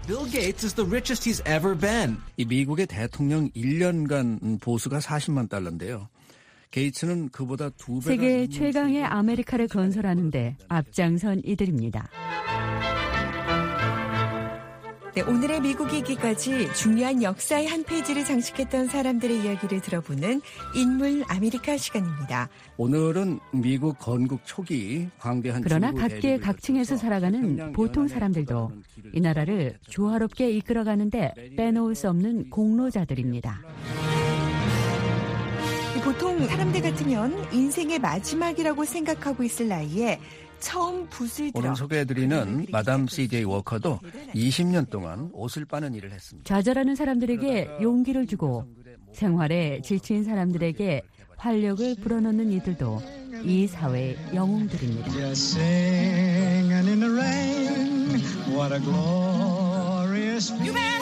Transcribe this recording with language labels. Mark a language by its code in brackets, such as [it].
[en] Bill Gates is the richest he's ever been. [ko] 이 미국의 대통령 1년간 보수가 40만 달러인데요. 게이츠는 그보다 두 배가 세계 최강의 아메리카를 건설하는데 앞장선 이들입니다. 네, 오늘의 미국이기까지 중요한 역사의 한 페이지를 장식했던 사람들의 이야기를 들어보는 인물 아메리카 시간입니다. 오늘은 미국 건국 초기 광대한 그러나 각계 각층에서 살아가는 보통 사람들도 이 나라를 조화롭게 이끌어가는데 빼놓을 수 없는 공로자들입니다. 보통 사람들 같으면 인생의 마지막이라고 생각하고 있을 나이에 처음 붓을 들어 오늘 소개해드리는 마담 CJ 워커도 20년 동안 옷을 빠는 일을 했습니다. 좌절하는 사람들에게 용기를 주고 생활에 지친 사람들에게 활력을 불어넣는 이들도 이 사회의 영웅들입니다. [en] What a glorious feeling.